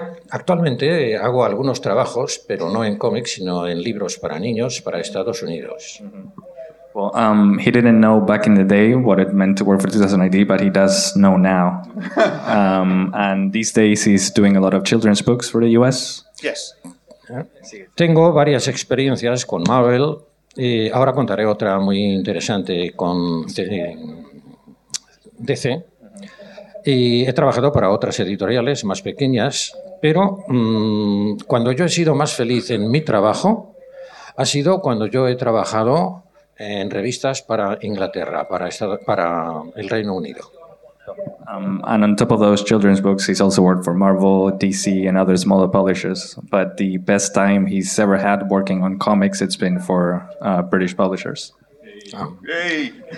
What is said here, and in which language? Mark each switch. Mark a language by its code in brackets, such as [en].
[es] Actualmente hago algunos trabajos, pero no en cómics, sino en libros para niños para Estados Unidos. Mm-hmm. [en] Well, he didn't know back in the day what it meant to work for 2000 AD, but he does know now. And these days he's doing a lot of children's books for the US. Yes. [es] Tengo varias experiencias con Marvel y ahora contaré otra muy interesante con DC. Y he trabajado para otras editoriales más pequeñas, pero cuando yo he sido más feliz en mi trabajo ha sido cuando yo he trabajado en revistas para Inglaterra, para el Reino Unido. [en] And on top of those children's books, he's also worked for Marvel, DC, and other smaller publishers. But the best time he's ever had working on comics, it's been for British publishers. Hey!